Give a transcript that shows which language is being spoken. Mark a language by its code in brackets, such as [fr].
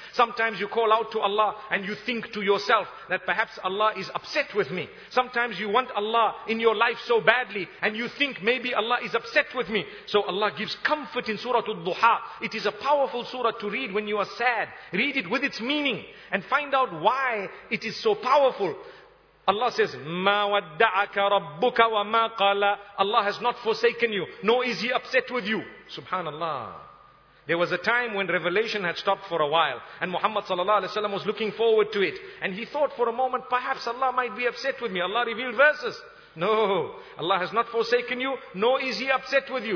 [en] Sometimes you call out to Allah and you think to yourself that perhaps Allah is upset with me. Sometimes you want Allah in your life so badly and you think maybe Allah is upset with me. So Allah gives comfort in Surah Al-Duha. It is a powerful surah to read when you are sad. Read it with its meaning and find out why it is so powerful. Allah says, [ar] مَا وَدَّعَكَ رَبُّكَ وَمَا قَالَ. [en] Allah has not forsaken you, nor is He upset with you. Subhanallah. There was a time when revelation had stopped for a while, and Muhammad sallallahu alaihi wasallam was looking forward to it. And he thought for a moment, perhaps Allah might be upset with me. Allah revealed verses. No, Allah has not forsaken you, nor is He upset with you.